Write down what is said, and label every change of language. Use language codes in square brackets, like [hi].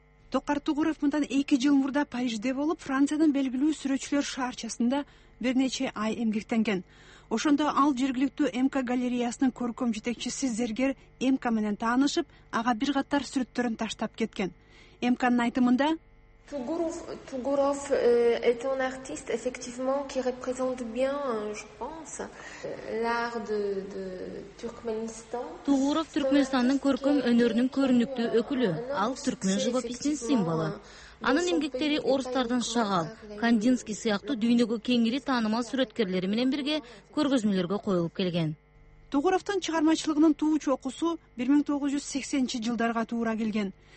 [ky] Токар Тугуров мындан 2 жыл мурда Парижде болуп, Франциянын белгилүү сүрөтчүлөр шаарчасында бир нече ай эмгектенген. Ошондо ал жергиликтүү МК галереясынын көркөм жетекчиси зергер МК менен таанышып, ага бир катар сүрөттөрүн таштап кеткен. МКнын айтымында [fr] Тугуров est un artiste effectivement qui représente bien, je pense, l'art de Turkmenistan. [ky] Тугуров Түркмөнстандын көркөм өнөрүнүн көрүнүктүү өкүлү. Ал түркмен живописинин символу. Анын эмгектери орустардын Шагал, Кандинский сыяктуу дүйнөгө кеңири таанымал сүрөткерлери менен бирге көргөзмөлөргө коюлуп келген. Тугуровтун чыгармачылыгынын туучу окуусу 1980-жылдарга туура келген.